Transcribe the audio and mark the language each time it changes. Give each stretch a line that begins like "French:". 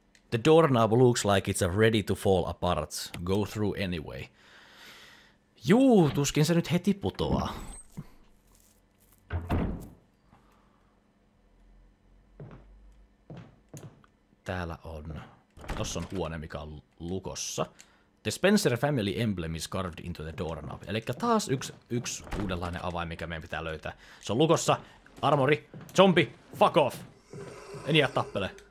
English: The doorknob looks like it's ready to fall apart. Go through anyway.
Finnish: Juu, tuskin se nyt heti putoaa. Täällä on, tossa on huone, mikä on lukossa.
English: The Spencer Family Emblem is carved into the doorknob.
Finnish: Elikkä taas yksi uudenlainen avain, mikä meidän pitää löytää. Se on lukossa. Armori, zombi,
English: fuck off!
Finnish: En jää tappele.